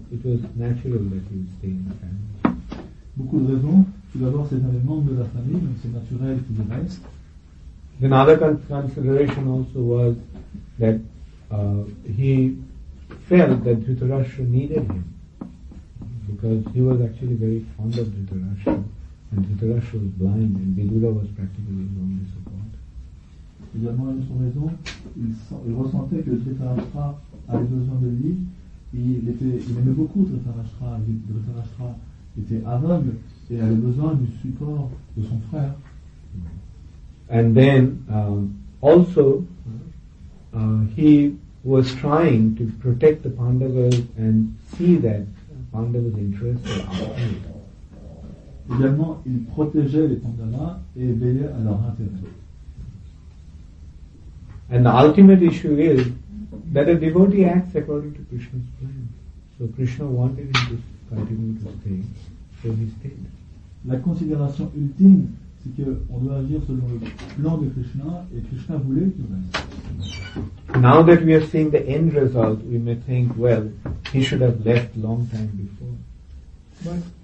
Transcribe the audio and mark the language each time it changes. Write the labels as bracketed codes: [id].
[en] It was natural that he would stay in the family. [fr] Beaucoup de raisons. Tout d'abord, c'est un membre de la famille, donc c'est naturel qu'il reste. [en] Another consideration also was that he felt that Dhritarashtra needed him because he was actually very fond of Dhritarashtra, and Dhritarashtra was blind and Vidura was practically his only support. [fr] Également, une autre raison, il ressentait que Dhritarashtra avait besoin de lui. Il aimait beaucoup Dhritarashtra. Dhritarashtra était aveugle et avait besoin du support de son frère. [en] And then also he was trying to protect the Pandavas and see that Pandavas' interests were upheld. [fr] Également, il protégeait les Pandavas et veillait à leur intérêt. [en] And the ultimate issue is that a devotee acts according to Krishna's plan. So Krishna wanted him to continue to stay, so he stayed. [fr] La considération ultime, c'est qu'on doit agir selon le plan de Krishna et Krishna voulait qu'il reste. [en] Now that we are seeing the end result, we may think, well, he should have left long time before.